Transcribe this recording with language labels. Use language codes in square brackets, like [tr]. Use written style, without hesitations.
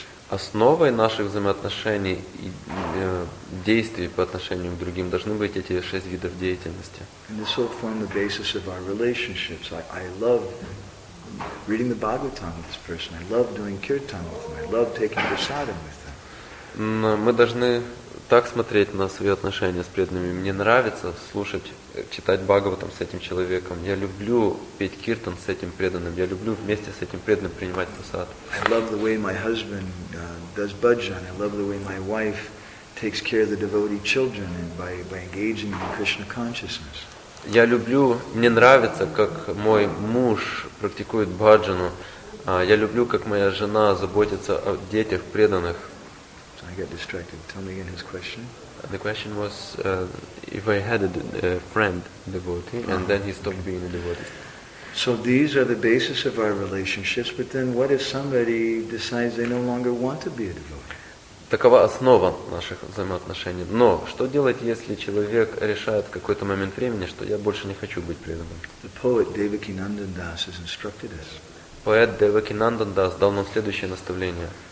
[ru] Основой наших взаимоотношений и действий по отношению к другим должны быть эти шесть видов деятельности. [en] And this will form the basis of our relationships. I love reading the Bhagavatam with this person. I love doing kirtan with them. I love taking prasadam with them. [ru] Мы должны так смотреть на свои отношения с преданными. Мне нравится слушать, читать Бхагаватам с этим человеком. Я люблю петь киртан с этим преданным. Я люблю вместе с этим преданным принимать прасад. [en] I love the way my husband does bhajan. I love the way my wife takes care of the devotee children and by engaging in Krishna consciousness. [ru] Я люблю, мне нравится, как мой муж практикует бхаджану. Я люблю, как моя жена заботится о детях преданных. [en] I got distracted. Tell me again his question. The question was if I had a friend devotee and then he stopped being a devotee. So these are the basis of our relationships, but then what if somebody decides they no longer want to be a devotee? [ru] такова основа наших взаимоотношений. Но что делать, если человек решает в какой-то момент времени, что я больше не хочу быть преданным? Поэт Девакинандан Дас дал нам следующее наставление.